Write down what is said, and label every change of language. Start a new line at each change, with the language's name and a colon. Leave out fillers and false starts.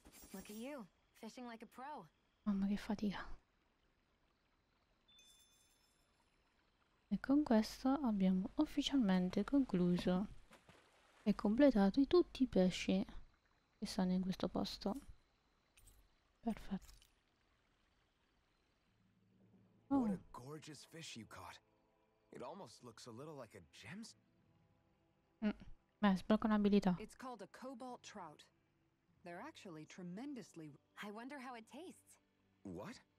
English: Look at you, fishing like a pro.
Italian: Mamma che fatica. E con questo abbiamo ufficialmente concluso e completato tutti i pesci che stanno in questo posto. Perfetto. Oh.
English: What a gorgeous fish you caught. It almost looks a little like a gemstone.
Italian: Beh, sblocca un'abilità.
English: It's called a cobalt trout. They're actually tremendously... I wonder how it tastes. What?